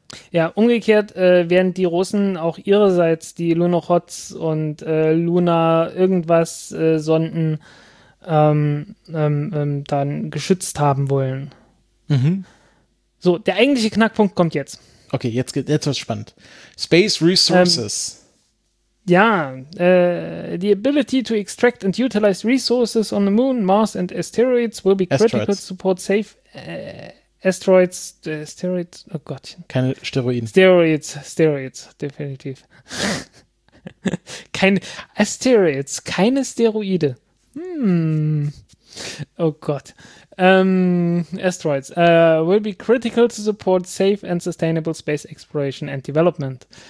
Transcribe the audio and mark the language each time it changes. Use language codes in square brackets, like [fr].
[de] Ja, umgekehrt werden die Russen auch ihrerseits die Lunokhods und Luna-irgendwas-Sonden dann geschützt haben wollen. Mhm. So, der eigentliche Knackpunkt kommt jetzt. Okay, jetzt wird's spannend. [en] Space Resources. The ability to extract and utilize resources on the moon, Mars and asteroids will be critical to support safe asteroids, [de] oh Gott. Keine Steroiden. Steroids, definitiv. Keine Asteroids, keine Steroide. Oh Gott. [en] Asteroids will be critical to support safe and sustainable space exploration and development.